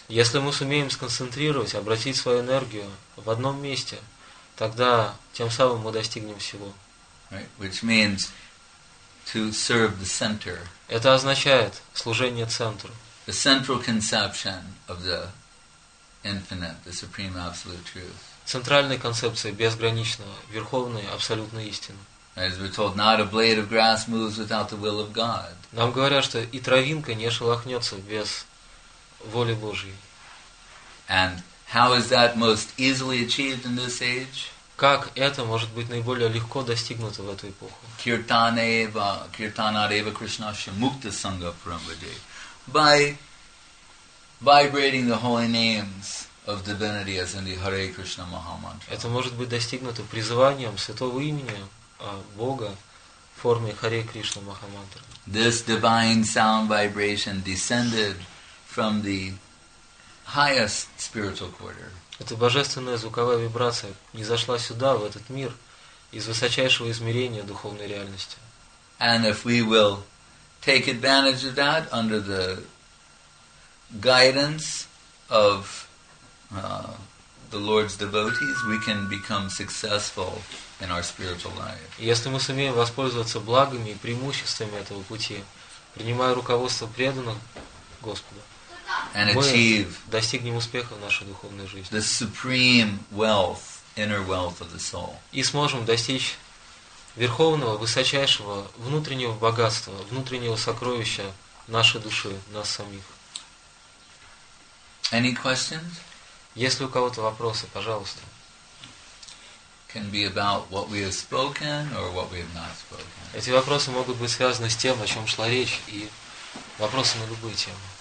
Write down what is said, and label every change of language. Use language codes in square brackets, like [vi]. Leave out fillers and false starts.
[ru] Если мы сумеем сконцентрировать, обратить свою энергию в одном месте, тогда тем самым мы достигнем всего. [en] Right, which means to serve the center. [ru] Это означает служение центру. [en] The central conception of the infinite, the supreme absolute truth. [ru] Центральная концепция безграничного, верховной абсолютной истины. [en] As we're told, not a blade of grass moves without the will of God. [ru] Нам говорят, что и травинка не шелохнется без воли Божьей. [en] And how is that most easily achieved in this age? [ru] Как это может быть наиболее легко достигнуто в эту эпоху? [sa] Киртанаева, киртанаарева Кришнаша мукта санга прамбаде. [en] By vibrating the holy names of divinity as in the Hare Krishna Mahamantra. [ru] Это может быть достигнуто призыванием святого имени Бога в форме Харе Кришна Махамантра. [en] This divine sound vibration descended from the highest spiritual quarter. [ru] Эта божественная звуковая вибрация не зашла сюда, в этот мир, из высочайшего измерения духовной реальности. [en] And if we will take advantage of that under the guidance of the Lord's devotees, we can become successful in our spiritual life. [ru] Если мы сумеем воспользоваться благами и преимуществами этого пути, принимая руководство преданных Господа, [en] and achieve [ru] достигнем успеха в нашей духовной жизни. [en] The supreme wealth, inner wealth of the soul. [ru] И сможем достичь верховного, высочайшего внутреннего богатства, внутреннего сокровища нашей души, нас самих. [en] Any questions? [ru] Если у кого-то вопросы, пожалуйста. [en] Can be about what we have spoken or what we have not spoken. [ru] Эти вопросы могут быть связаны с тем, о чем шла речь, и вопросы на любые темы.